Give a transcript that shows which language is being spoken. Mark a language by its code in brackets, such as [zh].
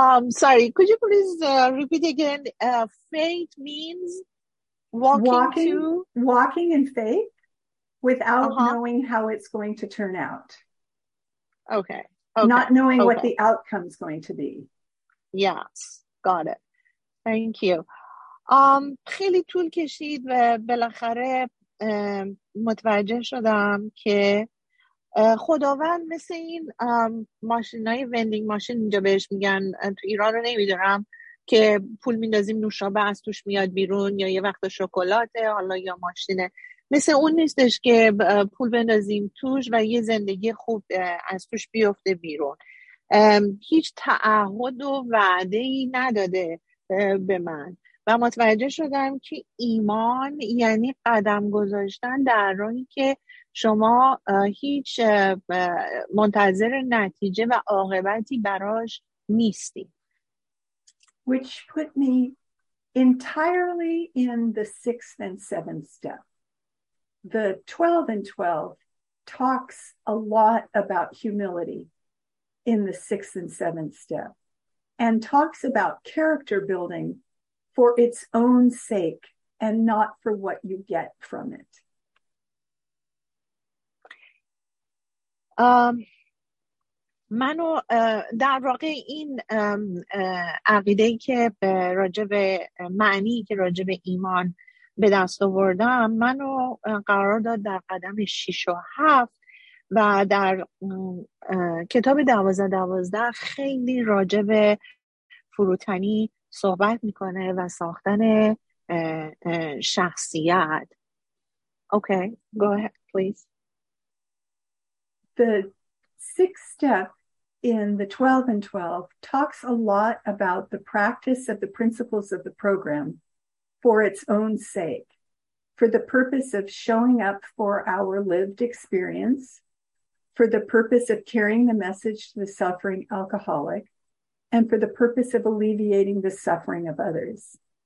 [en] Sorry, could you please repeat again? Faith means walking in faith without knowing how it's going to turn out. Okay. Okay. Not knowing what the outcome's going to be. Yes, got it. Thank you. [fa] خیلی طول کشید و بالاخره متوجه شدم که خداوند مثل این ماشینای وندینگ ماشین، اینجا بهش میگن، تو ایران رو نمیدونم، که پول میندازیم نوشابه از توش میاد بیرون، یا یه وقت شکلاته حالا یا ماشینه، مثل اون نیستش که پول بندازیم توش و یه زندگی خوب از توش بیفته بیرون. هیچ تعهد و وعده ای نداده به من و متوجه شدم که ایمان یعنی قدم گذاشتن در راهی که شما هیچ منتظر نتیجه و عاقبتی براش نیستی. [en] Which put me entirely in the sixth and seventh step. The 12 and 12 talks a lot about humility in the sixth and seventh step. And talks about character building for its own sake and not for what you get from it. [fa] منو در واقع این عقیده‌ای که راجع به معنی که راجع به ایمان به دست آوردم، منو قرار داد در قدم 6 و 7 و در کتاب 12 12 خیلی راجع به فروتنی صحبت میکنه و ساختن شخصیت. [en] Okay, go ahead, please. The sixth step in the 12 and 12 talks a lot about the practice of the principles of the program for its own sake, for the purpose of showing up for our lived experience, for the purpose of carrying the message to the suffering alcoholic, and for the purpose of alleviating the suffering of others.